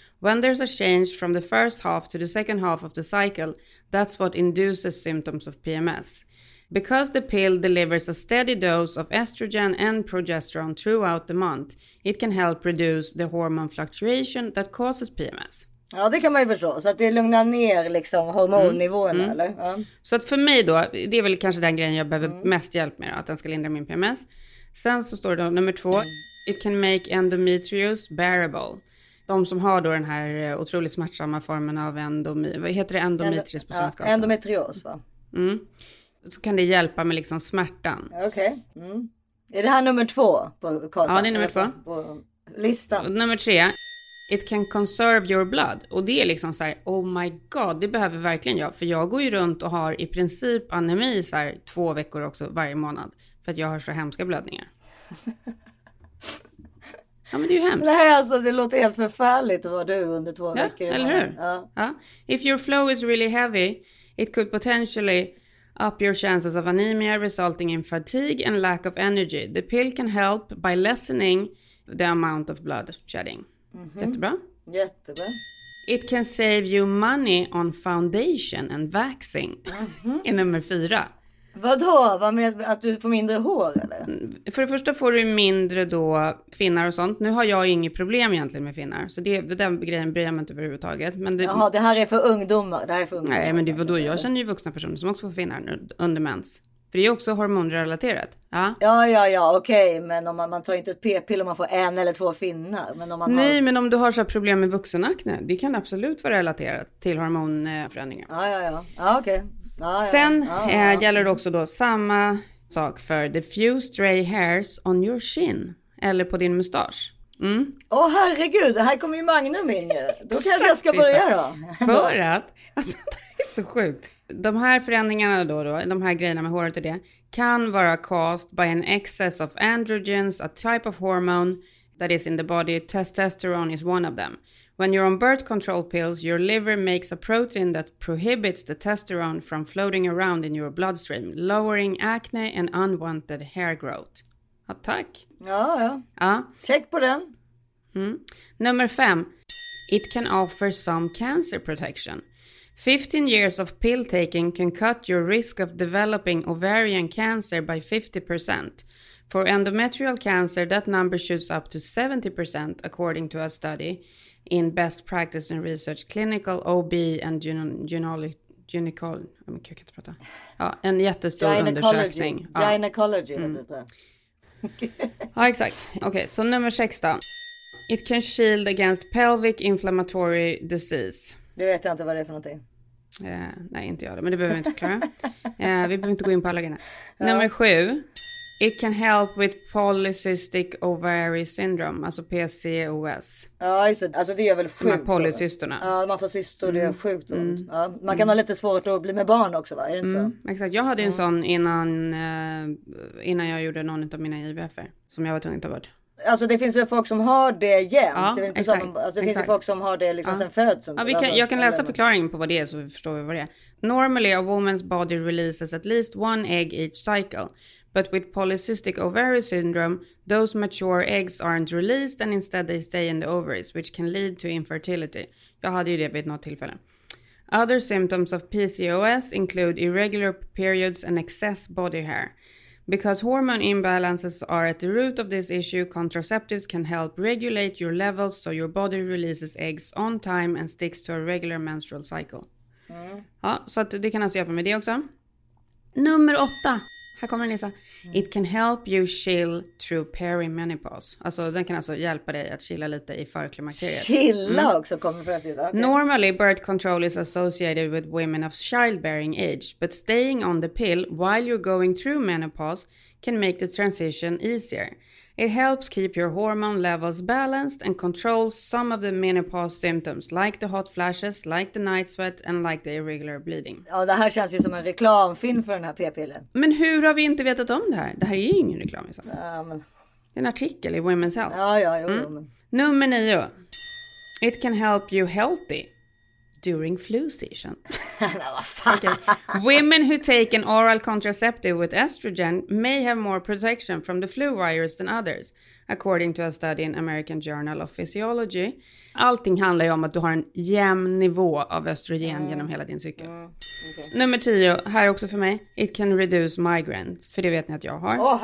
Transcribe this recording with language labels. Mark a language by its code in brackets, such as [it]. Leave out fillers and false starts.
[en] When there's a change from the first half to the second half of the cycle, that's what induces symptoms of PMS. Because the pill delivers a steady dose of estrogen and progesterone throughout the month, it can help reduce the hormone fluctuation that causes PMS. [sv] Ja, det kan man ju förstå. Så att det lugnar ner liksom hormonnivåerna, eller? Ja. Så att för mig då, det är väl kanske den grejen jag behöver mest hjälp med, att den ska lindra min PMS. Sen så står det då, nummer 2, [en] it can make endometriosis bearable. [sv] De som har då den här otroligt smärtsamma formen av endometrios. Vad heter det, endometrios på svenska? Ja, endometrios, va? Mm. Så kan det hjälpa med liksom smärtan. Okej. Okay. Mm. Är det här nummer 2 på kartan? Ja, det är nummer 2. På listan. Nummer 3. [en] It can conserve your blood. [sv] Och det är liksom så här, [en] oh my god, [sv] det behöver verkligen jag. För jag går ju runt och har i princip anemi så här 2 veckor också varje månad. För att jag har så hemska blödningar. Ja, men det är ju hemskt. Nej, alltså det låter helt förfärligt att vara du under 2 veckor. Ja, eller hur? Ja. [en] If your flow is really heavy, it could potentially up your chances of anemia resulting in fatigue and lack of energy. The pill can help by lessening the amount of blood shedding. [sv] Mm-hmm. Jättebra. Jättebra. [en] It can save you money on foundation and waxing. [sv] Mm-hmm. Är nummer 4. Vadå? Vad med att du får mindre hår eller? För det första får du mindre då finnar och sånt. Nu har jag inget problem egentligen med finnar. Så det, den grejen bryr jag mig inte överhuvudtaget. Men det... Jaha, det här är för ungdomar. Det här är för ungdomar. Nej, men det var då. Jag känner ju vuxna personer som också får finnar under mens. För det är också hormonrelaterat. Ja, ja, okej. Okay. Men om man tar inte ett p-pill om man får 1 eller 2 finnar. Men om man Nej, men om du har så här problem med vuxenakne. Det kan absolut vara relaterat till hormonförändringar. Ja, okej. Okay. Sen gäller det också då samma sak för [en] diffuse stray hairs on your chin [sv] eller på din mustasch. Åh herregud, här kommer ju Magnum in ju. Då kanske jag ska börja då. För att, alltså det är så sjukt. De här förändringarna då, de här grejerna med håret och det, kan vara [en] caused by an excess of androgens, a type of hormone that is in the body. Testosterone is one of them. When you're on birth control pills, your liver makes a protein that prohibits the testosterone from floating around in your bloodstream, lowering acne and unwanted hair growth. [sv] Ja, tack. Ja, ja. Ja. Check på den. Nummer 5. [en] It can offer some cancer protection. 15 years of pill taking can cut your risk of developing ovarian cancer by 50%. For endometrial cancer, that number shoots up to 70% according to a study in Best Practice and Research Clinical OB and gynecology. [sv] Jag kan inte prata. Ja, en jättestor undersökning. Gynecology heter det. Ja, exakt. Okej, så nummer 16. [en] It can shield against pelvic inflammatory disease. [sv] Det vet jag inte vad det är för någonting. Nej, inte jag det, men det behöver vi inte klara. Vi behöver inte gå in på alla grejerna. Ja. Nummer 7. [en] It can help with polycystic ovary syndrome, alltså PCOS. [sv] Ja, just det. Alltså det är väl sjukt. De här polycysterna. Ja, man får cystor, det är sjukt ont. Ja. Man kan ha lite svårt att bli med barn också, va? Är det inte så? Exakt, jag hade ju en sån innan jag gjorde någon av mina IVF-er, som jag var tvungen att ta bort. Alltså det finns ju folk som har det jämnt. Ja, det är inte exakt. Det finns ju folk som har det liksom sen föds. Ja, jag kan läsa förklaringen på vad det är så förstår vi vad det är. [en] Normally a woman's body releases at least one egg each cycle. But with polycystic ovary syndrome, those mature eggs aren't released and instead they stay in the ovaries, which can lead to infertility. [sv] Jag hade ju det vid något tillfälle. [en] Other symptoms of PCOS include irregular periods and excess body hair. Because hormone imbalances are at the root of this issue, contraceptives can help regulate your levels so your body releases eggs on time and sticks to a regular menstrual cycle. [sv] Ja, så att det kan alltså hjälpa med det också. Nummer 8. Här kommer Lisa. [en] It can help you chill through perimenopause. [sv] Alltså den kan alltså hjälpa dig att chilla lite i förklimakteriet. Chilla också kommer för att sitta. [en] Okay. Normally birth control is associated with women of childbearing age. But staying on the pill while you're going through menopause can make the transition easier. It helps keep your hormone levels balanced and controls some of the menopause symptoms like the hot flashes, like the night sweat and like the irregular bleeding. [sv] Ja, det här känns ju som en reklamfilm för den här p-pillen. Men hur har vi inte vetat om det här? Det här är ju ingen reklam. Liksom. Ja, men... Det är en artikel i Women's Health. Ja, men... Nummer 9. [en] It can help you healthy during flu season. Women who take an oral contraceptive with estrogen may have more protection from the flu virus than others, according to a study in American Journal of Physiology. [sv] Allting handlar ju om att du har en jämn nivå av östrogen genom hela din cykel. Okay. Nummer 10, här också för mig. [en] It can reduce migraines, [sv] för det vet ni att jag har.